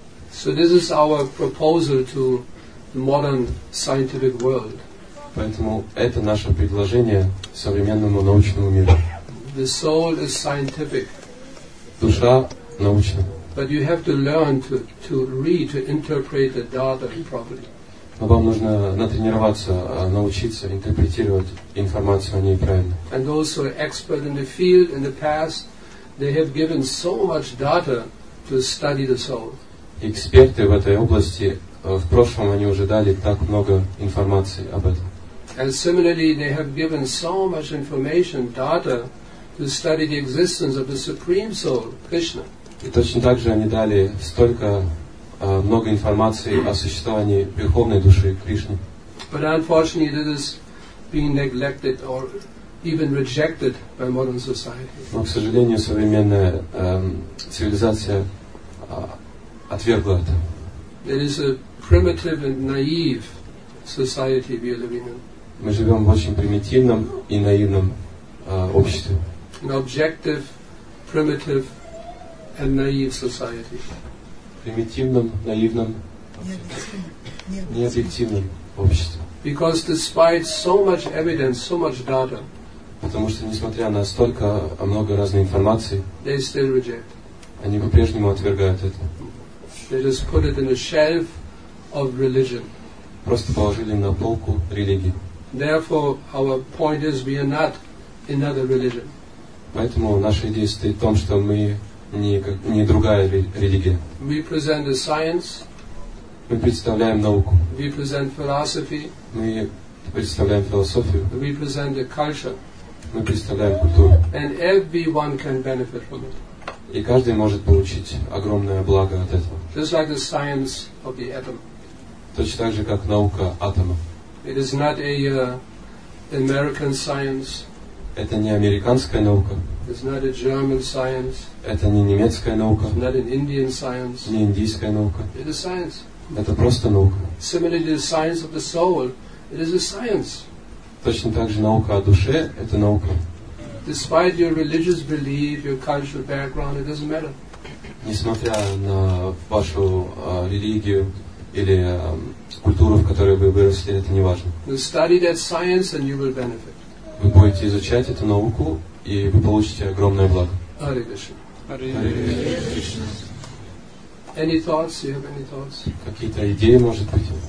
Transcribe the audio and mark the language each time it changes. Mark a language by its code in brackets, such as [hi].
[en] So this is our proposal to the modern scientific world. [ru] Поэтому это наше предложение современному научному миру. [en] The soul is scientific. [ru] Душа научна. [en] But you have to learn to read, to interpret the data properly. [ru] Но вам нужно натренироваться, научиться интерпретировать информацию о ней правильно. [en] And also experts in the field in the past, they have given so much data to study the soul. [ru] Эксперты в этой области в прошлом они уже дали так много информации об этом. [en] And similarly, they have given so much information, data, to study the existence of the Supreme Soul, Krishna. [ru] И точно так же они дали столько, много информации о существовании Верховной Души, Кришны. [en] But unfortunately, this is being neglected or even rejected by modern society. [ru] Но, к сожалению, современная цивилизация отвергла это. [en] It is a primitive and naive society we are living in. [ru] Мы живем в очень примитивном и наивном обществе. [en] An objective, primitive and naive society. [ru] Примитивном, наивном, необъективном обществе. [en] Because despite so much evidence, so much data, [ru] потому что несмотря на столько много разной информации, [en] they still reject. [ru] Они по-прежнему отвергают это. [en] They just put it in a shelf of religion. [ru] Просто положили на полку религии. [en] Therefore, our point is we are not another religion. [ru] Поэтому наша идея состоит в том, что мы не другая религия. [en] We present the science. [ru] Мы представляем науку. [en] We present philosophy. [ru] Мы представляем философию. [en] We present the culture. [ru] Мы представляем культуру. [en] And everyone can benefit from it. [ru] И каждый может получить огромное благо от этого. [en] Just like the science of the atom. [ru] Точно так же, как наука атома. [en] It is not a American science. [ru] Это не американская наука. [en] It's not a German science. [ru] Это не немецкая наука. [en] It's not an Indian science. [ru] Не индийская наука. [en] It is science. [ru] Это просто наука. [en] Similarly, the science of the soul, it is a science. [ru] Точно так же наука о душе – это наука. [en] Despite your religious belief, your cultural background, it doesn't matter. [ru] Несмотря на вашу религию или культуру, в которой вы выросли, это не важно. [en] You study that science and you will benefit. [ru] Вы будете изучать эту науку, и вы получите огромное благо. [sa] Hare Krishna. Hare Krishna. [en] Any thoughts? You have any thoughts? [ru] Какие-то идеи, может быть?